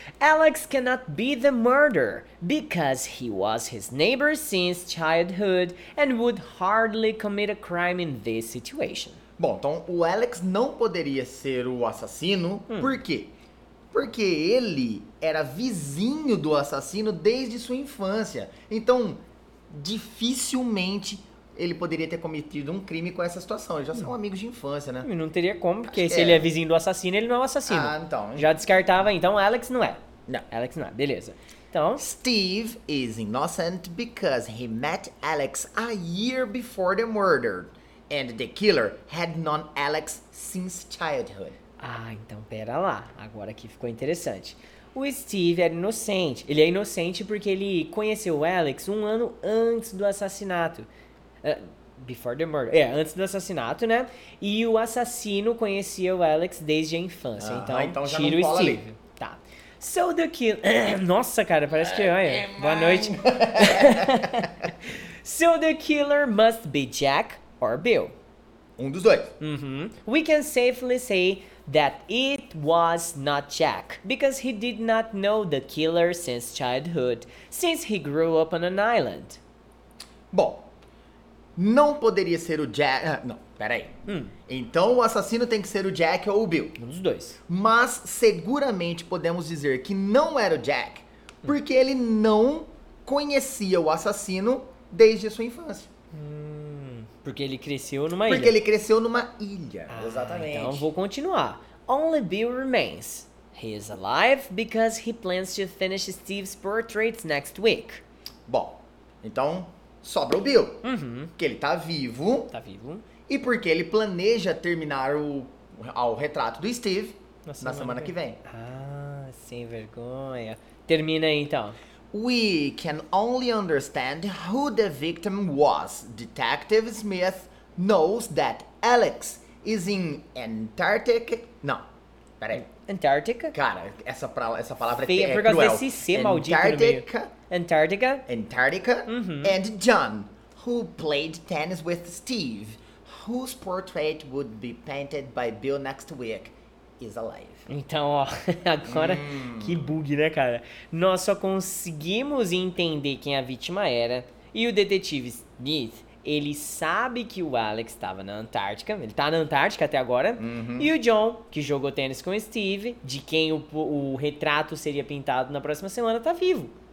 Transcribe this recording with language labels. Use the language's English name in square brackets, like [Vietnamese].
[English] Alex cannot be the murderer because he was his neighbor since childhood and would hardly commit a crime in this situation. [Portuguese] Bom, então o Alex não poderia ser o assassino. Por quê? Porque ele era vizinho do assassino desde sua infância. Então, dificilmente ele poderia ter cometido um crime com essa situação. Eles já são amigos de infância, né? Não teria como, porque se ele é vizinho do assassino, ele não é o assassino. Então. Já descartava, então Alex não é. Não. Alex não é, beleza. Então. [English] Steve is innocent because he met Alex a year before the murder. And the killer had known Alex since childhood. [Portuguese] Então pera lá. Agora aqui ficou interessante. O Steve era inocente. Ele é inocente porque ele conheceu o Alex um ano antes do assassinato. [English] Before the murder. [Portuguese] Antes do assassinato, né? E o assassino conhecia o Alex desde a infância. Ah, então já tira não o Steve. Ali. Tá. [English] So the killer. [Portuguese] Nossa, cara, parece que. Olha. Boa noite. [English] So the killer must be Jack or Bill. [Portuguese] Um dos dois. Uhum. [English] We can safely say that it was not Jack, because he did not know the killer since childhood, since he grew up on an island. [Portuguese] Bom. Não poderia ser o Jack... Não, Peraí. Então o assassino tem que ser o Jack ou o Bill. Um dos dois. Mas seguramente podemos dizer que não era o Jack, porque ele não conhecia o assassino desde a sua infância. Porque ele cresceu numa ilha. Exatamente. Então vou continuar. [English] Only Bill remains. He is alive because he plans to finish Steve's portraits next week. [Portuguese] Bom, então sobra o Bill. Uhum. Que ele tá vivo. Tá vivo. E porque ele planeja terminar o retrato do Steve na semana que vem. Ah, sem vergonha. Termina aí, então. [English] We can only understand who the victim was. Detective Smith knows that Alex is in Antarctica. [Portuguese] Não, peraí. [English] Antarctica? [Portuguese] Cara, essa palavra é por causa desse C maldito no meio. Antarctica? [English] Antarctica. Uhum. And John, who played tennis with Steve, whose portrait would be painted by Bill next week, is alive. [Portuguese] Então, ó, agora que bug, né, cara? Nós só conseguimos entender quem a vítima era. E o detetive Smith, ele sabe que o Alex estava na Antártica. Ele tá na Antártica até agora. Uhum. E o John, que jogou tênis com o Steve, de quem o retrato seria pintado na próxima semana, tá vivo.